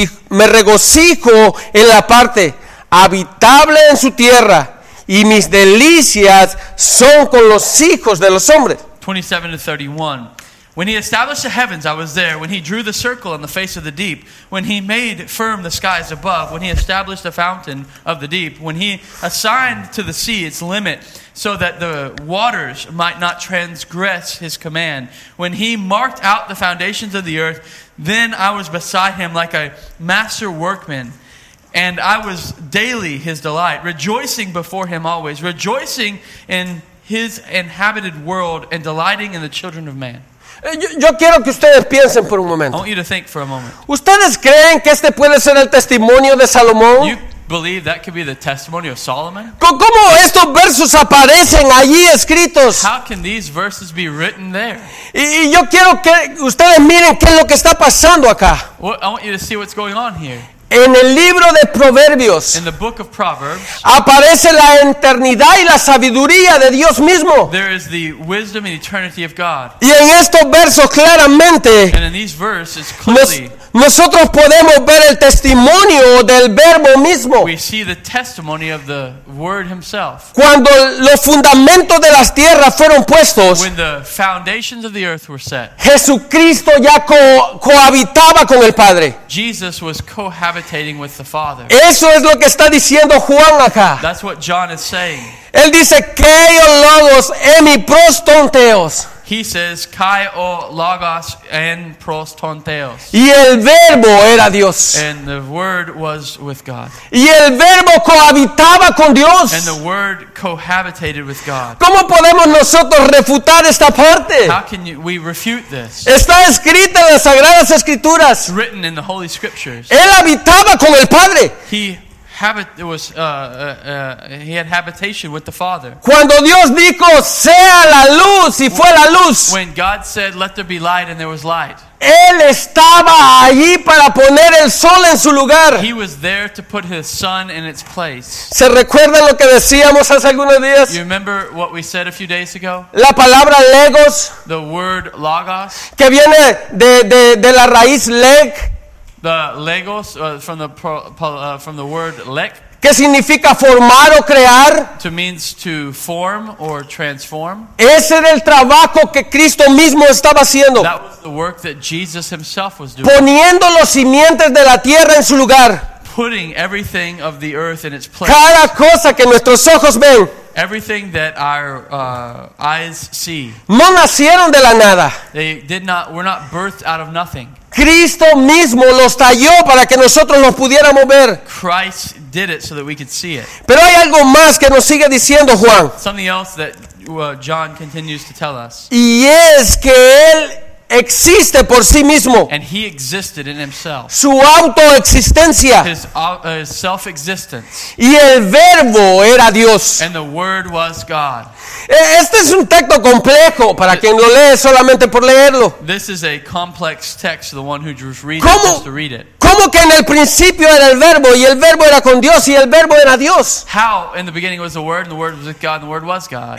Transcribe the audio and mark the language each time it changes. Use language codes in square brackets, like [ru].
[es] Me regocijo en la parte habitable en su tierra, y mis delicias son con los hijos de los hombres. 27-31. [en] When he established the heavens, I was there. When he drew the circle on the face of the deep. When he made firm the skies above. When he established the fountain of the deep. When he assigned to the sea its limit, so that the waters might not transgress his command. When he marked out the foundations of the earth, then I was beside him like a master workman. And I was daily his delight, rejoicing before him always, rejoicing in his inhabited world and delighting in the children of man. [es] Yo quiero que ustedes piensen por un momento. [en] I want you to think for a moment. [es] ¿Ustedes creen que este puede ser el testimonio de Salomón? [en] You believe that could be the testimony of Solomon? [es] ¿Cómo estos versos aparecen allí escritos? [en] How can these verses be written there? [es] Y yo quiero que ustedes miren qué es lo que está pasando acá. [en] I want you to see what's going on here. [es] En el libro de Proverbios [en] in the book of Proverbs, [es] aparece la eternidad y la sabiduría de Dios mismo. [en] There is the wisdom and eternity of God. [es] Y en estos versos claramente [en] and in these verses, clearly, [es] nosotros podemos ver el testimonio del Verbo mismo. [en] We see the testimony of the Word himself. [es] Cuando los fundamentos de las tierras fueron puestos, [en] when the foundations of the earth were set, [es] Jesucristo ya cohabitaba con el Padre. [en] Jesus was cohabitating with the Father. [es] Eso es lo que está diciendo Juan acá. [en] That's what John is saying. [es] Él dice, [el] Kai o logos emi prostonteos. [en] He says, [el] Kai o logos en prostonteos. [es] Y el Verbo era Dios. [en] And the Word was with God. [es] Y el Verbo cohabitaba con Dios. [en] And the Word cohabitated with God. [es] ¿Cómo podemos nosotros refutar esta parte? [en] How can we refute this? [es] Está escrito en las Sagradas Escrituras. [en] It's written in the Holy Scriptures. [es] Él habitaba con el Padre. [en] He had habitation with the Father. [es] Cuando Dios dijo, sea la luz, y fue la luz. [en] When God said, let there be light, and there was light. [es] Él estaba allí para poner el sol en su lugar. [en] He was there to put his sun in its place. [es] ¿Se recuerdan lo que decíamos hace algunos días? [en] You remember what we said a few days ago? [es] La palabra legos, [en] the word logos, [es] que viene de la raíz leg. [en] The legos from the word lek, [es] que significa formar o crear, [en] to means to form or transform. [es] Ese era el trabajo que Cristo mismo estaba haciendo. [en] That was the work that Jesus himself was doing. [es] Poniendo los cimientos de la tierra en su lugar. [en] Putting everything of the earth in its place. [es] Cada cosa que nuestros ojos ven. [en] Everything that our eyes see. [es] No nacieron de la nada. [en] They did not. Were not birthed out of nothing. [es] Cristo mismo los talló para que nosotros los pudiéramos ver. [en] Christ did it so that we could see it. [es] Pero hay algo más que nos sigue diciendo Juan. [en] Something else that John continues to tell us. [es] Y es que él existe por sí mismo. [en] And he existed in himself. [es] Su autoexistencia. [en] His self-existence. [es] Y el Verbo era Dios. [en] And the Word was God. [es] Este es un texto complejo para quien lo lee solamente por leerlo. [en] This is a complex text, the one who just reads it has to read it. [es] ¿Cómo que en el principio era el Verbo y el Verbo era con Dios y el Verbo era Dios? [en] How in the beginning was the Word and the Word was with God and the Word was God.